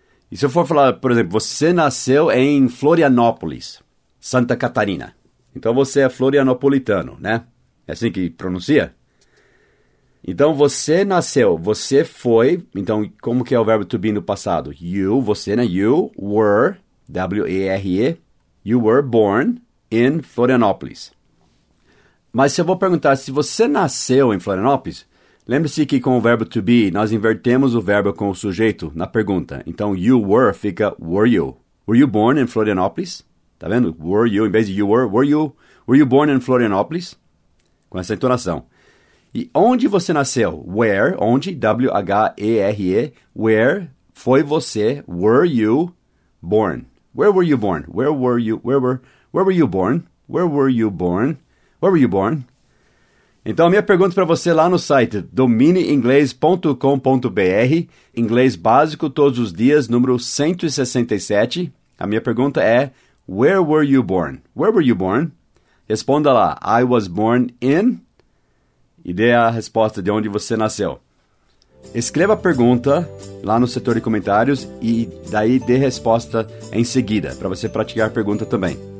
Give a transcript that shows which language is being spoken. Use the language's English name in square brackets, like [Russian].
[Portuguese] E se eu for falar, por exemplo, você nasceu em Florianópolis, Santa Catarina. Então você é florianopolitano, né? É assim que pronuncia? Então você nasceu, você foi, então como que é o verbo to be no passado? You, você, né? [English] You were, W-E-R-E, you were born in Florianópolis. [Portuguese] Mas se eu vou perguntar se você nasceu em Florianópolis, lembre-se que com o verbo to be, nós invertemos o verbo com o sujeito na pergunta. Então, [English] you were [Portuguese] fica [English] were you. Were you born in Florianópolis? [Portuguese] Tá vendo? [English] Were you, [Portuguese] em vez de [English] you were, were you? Were you born in Florianópolis? [Portuguese] Com essa entonação. E onde você nasceu? [English] Where, [Portuguese] onde, [English] W-H-E-R-E, where [Portuguese] foi você, [English] were you born? Where were you born? Where were you, where were you born? Where were you born? Where were you born? [Portuguese] Então, a minha pergunta para você lá no site dominiinglês.com.br, inglês básico todos os dias, número 167. A minha pergunta é, [English] where were you born? Where were you born? [Portuguese] Responda lá, [English] I was born in, [Portuguese] e dê a resposta de onde você nasceu. Escreva a pergunta lá no setor de comentários e daí dê resposta em seguida, para você praticar a pergunta também.